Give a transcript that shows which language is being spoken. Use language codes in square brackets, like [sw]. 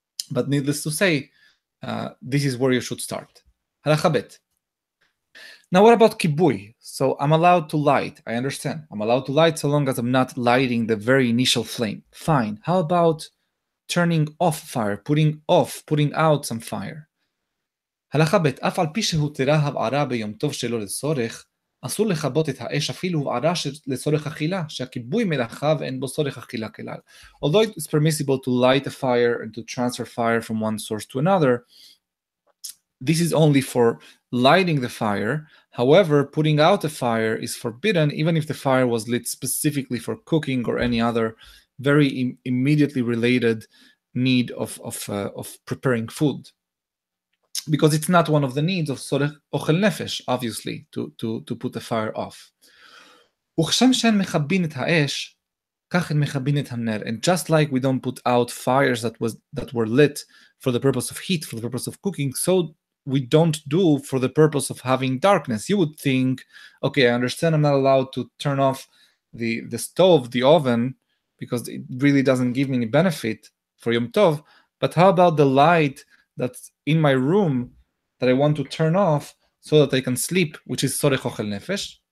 [en] But needless to say, this is where you should start. Halacha Bet. Now, what about kibui? So I'm allowed to light. I understand. I'm allowed to light so long as I'm not lighting the very initial flame. Fine. How about turning off fire, putting out some fire? Halacha Bet. [he] Af al pi shehutera havara beyom tov shelo lesorech, אסור לחבות את האש אפילו הוערה לצורך אכילה, שהכיבוי מרחב אין בו צורך אכילה כלל. [en] Although it is permissible to light a fire and to transfer fire from one source to another, this is only for lighting the fire. However, putting out a fire is forbidden, even if the fire was lit specifically for cooking or any other very immediately related need of preparing food. Because it's not one of the needs of sorech ochel nefesh, obviously, to put the fire off. [he] וכשם שאין מכבין את האש, כך אין מכבין את הנר. [en] And just like we don't put out fires that were lit for the purpose of heat, for the purpose of cooking, so we don't do for the purpose of having darkness. You would think, okay, I understand I'm not allowed to turn off the stove, the oven, because it really doesn't give me any benefit for Yom Tov, but how about the light that's in my room that I want to turn off so that I can sleep, which is sorech ochel nefesh?